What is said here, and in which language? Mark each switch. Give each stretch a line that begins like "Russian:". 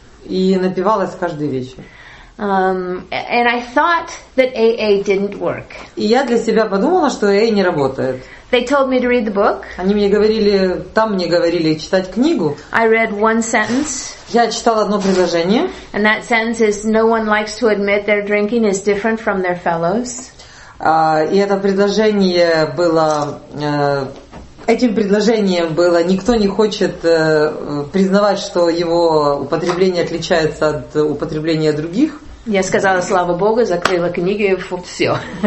Russian: И напивалась каждый вечер.
English: And I thought that AA didn't work.
Russian: И я для себя подумала, что AA не работает.
English: They told me to read the book.
Russian: Они мне говорили, там мне говорили читать книгу.
English: I read one sentence.
Russian: Я читала одно предложение.
English: And that sentence is, no one likes to admit their drinking is different from their fellows.
Russian: И это предложение было, этим предложением было, никто не хочет признавать, что его употребление отличается от употребления других. Я сказала, слава Богу, закрыла книги, все.